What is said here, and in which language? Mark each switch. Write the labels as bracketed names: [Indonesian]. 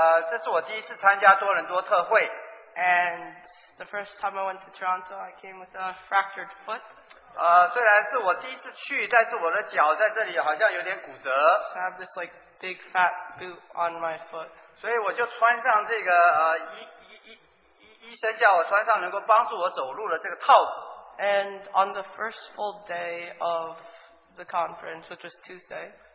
[Chinese] 这是我第一次参加多伦多特会。 [English] And the first time I went to Toronto, I came with a fractured foot. [Chinese] 虽然是我第一次去，但是我的脚在这里好像有点骨折。 [English] So I have this like big fat boot on my foot. [Chinese] 所以我就穿上这个医生叫我穿上能够帮助我走路的这个套子。 [English] And on the first full day of the conference, which was Tuesday.